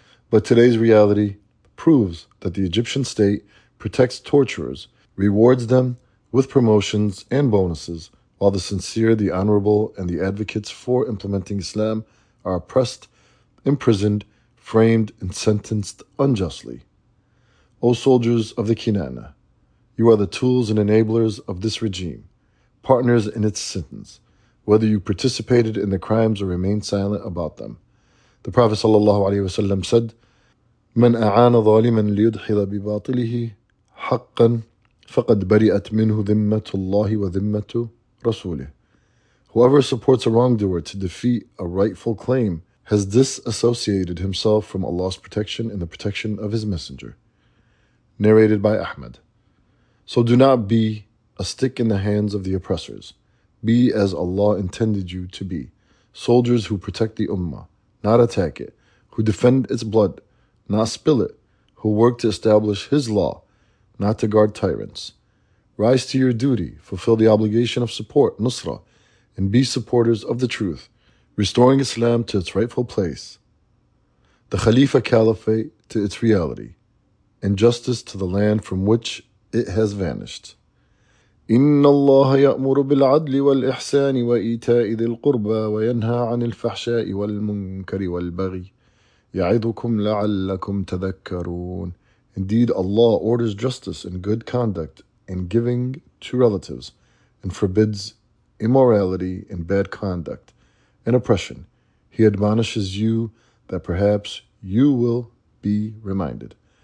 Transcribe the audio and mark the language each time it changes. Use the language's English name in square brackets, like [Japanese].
[English] But today's reality proves that the Egyptian state protects torturers, rewards them with promotions and bonuses, while the sincere, the honorable, and the advocates for implementing Islam are oppressed, imprisoned, framed, and sentenced unjustly. O soldiers of the Kinana, you are the tools and enablers of this regime, partners in its sentence, whether you participated in the crimes or remained silent about them. The Prophet sallallahu alaihi wasallam said, [Arabic] "من أعان ظالما ليدحض بباطله حقا فقد برئت منه ذمة الله وذمة رسوله." [English] Whoever supports a wrongdoer to defeat a rightful claim has disassociated himself from Allah's protection and the protection of His Messenger. Narrated by Ahmed. So do not be a stick in the hands of the oppressors. Be as Allah intended you to be, soldiers who protect the Ummah, not attack it, who defend its blood, not spill it, who work to establish His law, not to guard tyrants. Rise to your duty, fulfill the obligation of support, Nusra, and be supporters of the truth, restoring Islam to its rightful place, the Khalifa Caliphate to its reality, and justice to the land from which it has vanished. [Arabic] إن الله يأمر بالعدل والإحسان وإيتاء ذي القربى وينهى عن الفحشاء والمنكر والبغي يعظكم لعلكم تذكرون. [English] Indeed, Allah orders justice and good conduct in giving to relatives and forbids immorality and bad conduct and oppression. He admonishes you that perhaps you will be reminded.